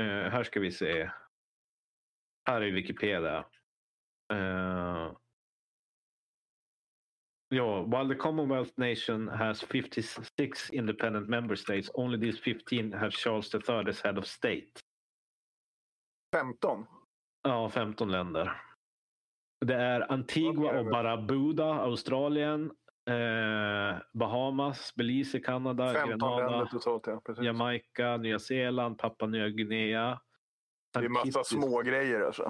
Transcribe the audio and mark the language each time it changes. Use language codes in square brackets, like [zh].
[sv] Här ska vi se. Här är Wikipedia. [en] Yeah, while the Commonwealth nation has 56 independent member states, only these 15 have Charles III as head of state. [sv] 15? Ja, 15 länder. Det är Antigua och Barbuda, Australien, Bahamas, Belize, Kanada, Grenada, totalt, ja, Jamaica, Nya Zeeland, Papua Nya Guinea. Det är en massa små grejer alltså.